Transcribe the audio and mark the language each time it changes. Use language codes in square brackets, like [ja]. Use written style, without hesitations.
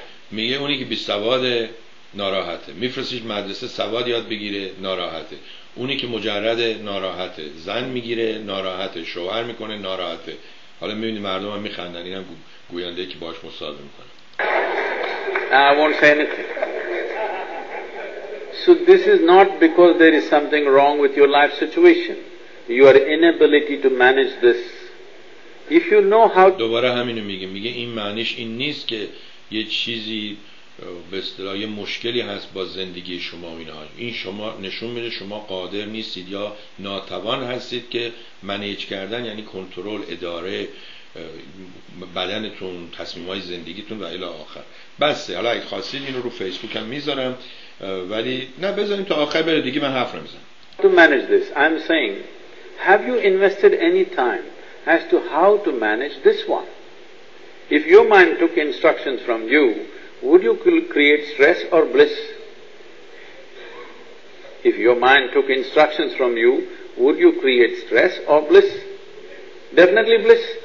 [fa] میگه اونی که بیسواد ناراحته، میفرستیش مدرسه سواد یاد بگیره ناراحته، اونی که مجرد ناراحته، زن میگیره ناراحته، شوهر میکنه ناراحته. حالا میبینی مردم هم میخندن، اینم گوینده که باش مصاحبه میکنه. [en] I won't say anything. So this is not because there is something wrong with your life situation. Your inability to manage this. If you know how... [fa] دوباره همینو میگه، میگه این معنیش این نیست که یه چیزی به اصطلاح یه مشکلی هست با زندگی شما و اینها. این شما نشون میده شما قادر نیستید یا ناتوان هستید که منیج کردن، یعنی کنترل، اداره بدنتون، تصمیمهای زندگیتون و الی آخر. بسه، حالا اگه خواستید اینو رو فیسبوک هم میذارم، ولی نه بذاریم تا آخر بره دیگه من حرف نمیزنم. [en] To manage this, I'm saying, have you invested any time as to how to manage this one? If your mind took instructions from you, would you create stress or bliss? If your mind took instructions from you, would you create stress or bliss? Definitely bliss.